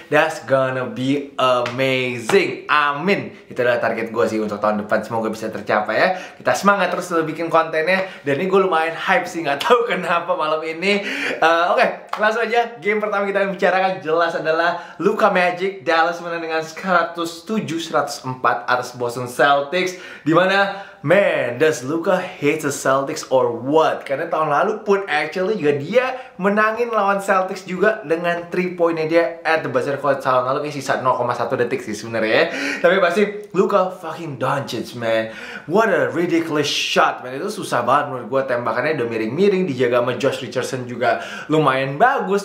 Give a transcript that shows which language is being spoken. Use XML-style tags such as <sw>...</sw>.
<en>That's gonna be amazing. Amin.</en> <id>Itu adalah target gue sih untuk tahun depan. Semoga bisa tercapai ya. Kita semangat terus bikin kontennya. Dan ini gue lumayan hype sih, gak tahu kenapa malam ini. Oke, langsung aja. Game pertama kita yang bicarakan jelas adalah Luka Magic. Dallas menang dengan 107-104 atas Boston Celtics. Dimana,</id> <en>man, does Luka hate the Celtics or what?</en> <id>Karena tahun lalu pun</id> <en>actually</en> <id>juga dia menangin lawan Celtics juga dengan 3 poinnya dia</id> <en>at the buzzer.</en> <id>Kalau tahun lalu ini sisa 0,1 detik sih sebenarnya. Tapi pasti</id> <en>Luka fucking Doncic, man. What a ridiculous shot, man.</en> <id>Itu susah banget menurut gue, tembakannya udah miring-miring, dijaga sama Josh Richardson juga lumayan bagus.</id>